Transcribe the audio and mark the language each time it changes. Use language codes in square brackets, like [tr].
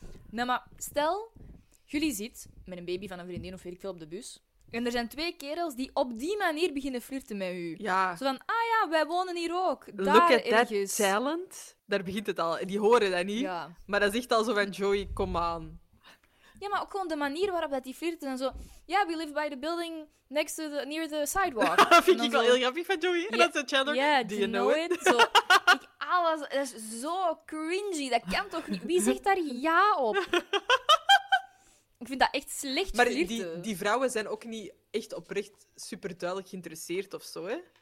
[nl] Nou, maar stel, jullie zitten met een baby van een vriendin of weet ik veel op de bus. En er zijn twee kerels die op die manier beginnen flirten met u. Ja. Zo van, ah ja, wij wonen hier ook. Daar [en] look at [nl] ergens. [en] That talent. [nl] Daar begint het al. Die horen dat niet. Ja. Maar dat is echt al zo van, Joey, kom aan. Ja, maar ook gewoon de manier waarop dat die flirten en zo. [en] Ja, we live by the building next to the, near the sidewalk. [nl] Dat vind ik wel heel grappig van Joey. En dat is de Chandler. Ja, [en] do you know it? [nl] Zo, alles, dat is zo cringy. Dat kan toch niet? Wie zegt daar ja op? Ik vind dat echt slecht maar flirten. Maar die vrouwen zijn ook niet echt oprecht superduidelijk geïnteresseerd of zo, hè?